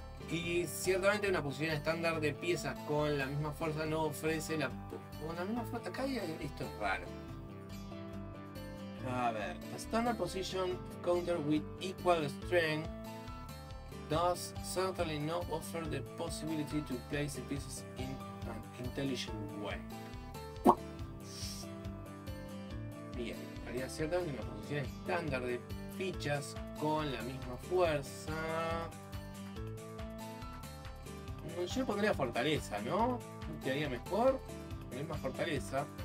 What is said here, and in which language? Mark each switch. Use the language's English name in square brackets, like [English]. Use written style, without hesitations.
[Spanish] Y ciertamente una posición estándar de piezas con la misma fuerza no ofrece la... Con la misma fuerza, acá hay... Esto es raro. A ver... [English] A standard position counter with equal strength does certainly not offer the possibility to place the pieces in an intelligent way. [Spanish] Bien, en realidad es cierto que una posición estándar de fichas con la misma fuerza... Yo pondría fortaleza, ¿no? Quedaría mejor, la misma fortaleza.